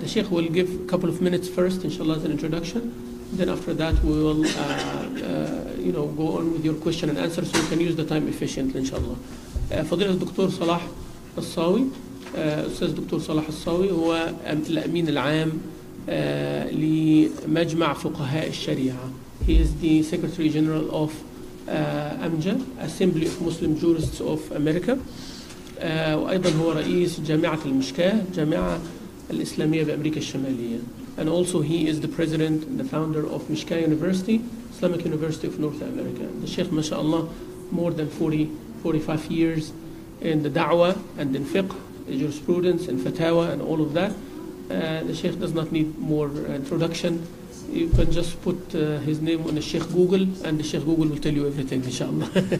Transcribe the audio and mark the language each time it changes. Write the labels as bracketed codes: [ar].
[en] The sheikh will give a couple of minutes first, inshallah, as an introduction, then after that we will go on with your question and answer so you can use the time efficiently, inshallah. [ar] فضيلة الدكتور صلاح الصاوي, أستاذ الدكتور صلاح الصاوي هو الأمين العام لمجمع فقهاء الشريعة. [en] He is the Secretary General of AMJA, Assembly of Muslim Jurists of America. [ar] وأيضا هو رئيس جامعة المشكاة, جامعة الإسلامية بأمريكا الشمالية. [en] And also he is the President and the Founder of Mishkah University, Islamic University of North America. The Sheikh, ما شاء الله, more than 45 years in the da'wah and in fiqh, in jurisprudence and fatawa and all of that. The sheikh does not need more introduction. You can just put his name on the sheikh Google and the sheikh Google will tell you everything, inshallah.